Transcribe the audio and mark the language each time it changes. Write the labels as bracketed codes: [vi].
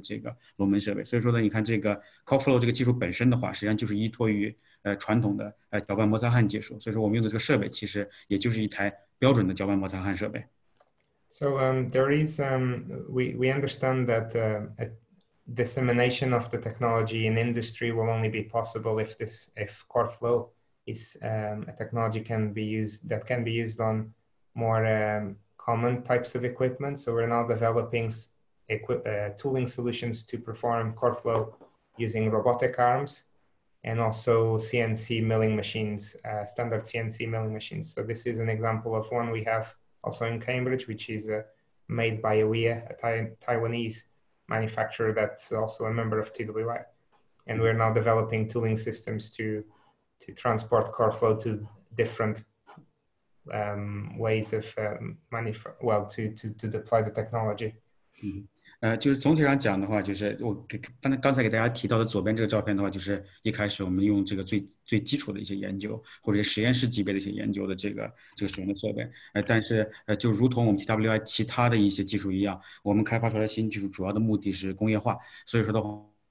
[zh] 然后大家可以看到这个页面上面左上角的这张照片，这一台这个龙门的这个搅拌摩擦焊设备，这个设备其实也是很早期的时候专门为这个搅拌摩擦焊工业化的时候开发的较早的一台的这个龙门设备。所以说呢，你看这个 CoreFlow 这个技术本身的话，实际上就是依托于传统的搅拌摩擦焊技术，所以说我们用的这个设备其实也就是一台标准的搅拌摩擦焊设备。So [en] there is we understand that dissemination of the technology in industry will only be possible if CoreFlow is a technology can be used on more common types of equipment. So we're now developing tooling solutions to perform CoreFlow using robotic arms and also CNC milling machines, standard CNC milling machines. So this is an example of one we have also in Cambridge, which is made by AWEA, a Taiwanese manufacturer that's also a member of TWI. And we're now developing tooling systems to transport CoreFlow to different ways of deploy the technology. [zh] 就是总体上讲的话，就是我给刚才给大家提到的左边这个照片的话，就是一开始我们用这个最基础的一些研究或者实验室级别的一些研究的这个使用的设备。但是就如同我们 TWI 其他的一些技术一样，我们开发出来的新技术主要的目的是工业化，所以说的话。